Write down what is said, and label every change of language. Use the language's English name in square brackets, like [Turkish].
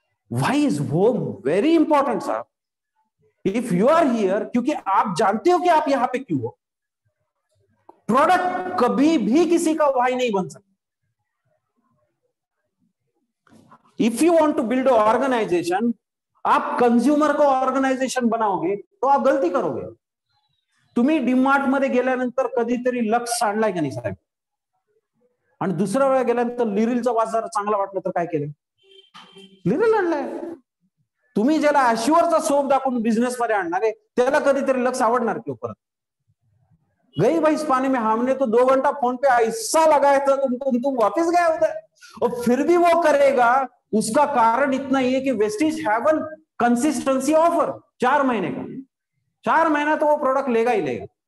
[English] why is home very important sahab, if you are here, [Hindi] क्योंकि आप जानते हो कि आप यहां पे क्यों हो। प्रोडक्ट कभी भी किसी का व्हाई नहीं बन सकता। [English] if you want to build organization, [Hindi] आप कंज्यूमर को ऑर्गेनाइजेशन बनाओगे तो आप गलती करोगे। [Marathi] तुम्ही डीमार्ट मध्ये गेल्यानंतर कधीतरी लक्स सांडलाय का नाही साहेब, आणि दुसऱ्या वेळा गेल्यानंतर लिरिलचा बाजार चांगला वाटला तर काय केलं, लिरिल आणलाय। तुम्ही ज्याला अश्युअरचा सोप दाखवून बिझनेस मध्ये आणणार आहे त्याला कधीतरी लक्स आवडणार की परत। [Hindi] गई भाई पाणी में हमने तो 2 घंटा फोन पे ऐसा लगाया था तुम वापिस गया उधर, और फिर भी वो करेगा। उसका कारण इतना ही है कि वेस्टिज हैवन कंसिस्टेंसी ऑफर 4 महीने का, 4 महीना तो वो प्रोडक्ट लेगा ही लेगा।